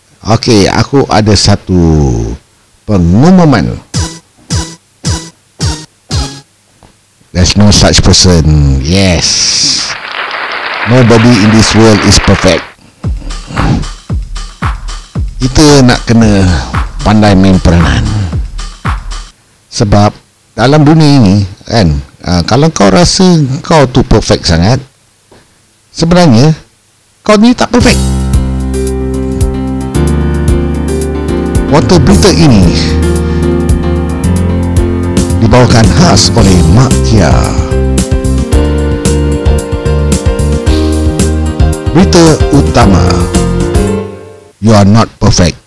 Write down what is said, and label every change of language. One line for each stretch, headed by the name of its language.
Malay: Okey, aku ada satu pengumuman.
English: There's no such person. Yes, nobody in this world is perfect.
Malay: Kita nak kena pandai main peranan. Sebab dalam dunia ini kan, kalau kau rasa kau tu perfect sangat, sebenarnya kau ni tak perfect. Water Beater ini dibawakan khas oleh Mak Kia. Berita utama,
English: you are not perfect.